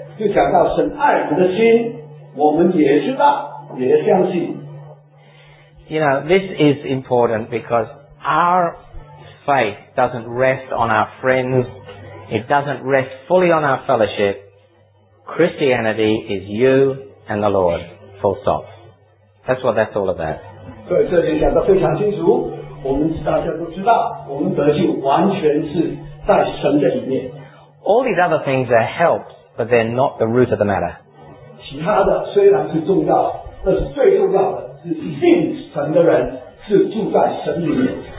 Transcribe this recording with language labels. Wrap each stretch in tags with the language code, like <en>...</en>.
<zh>对,前面那16节就讲到神爱我们的心, 我们也知道,</zh> <en>you know, this is important because our faith doesn't rest on our friends. It doesn't rest fully on our fellowship. Christianity is you and the Lord, full stop. That's what that's all about.</en> <zh>对,这里讲得非常清楚,我们大家都知道,我们得救完全是在神的里面。</zh> <en>All these other things are helps, but they're not the root of the matter.</en> <zh>其他的虽然是重要,但是最重要的,是信神的人,是住在神里面。</zh>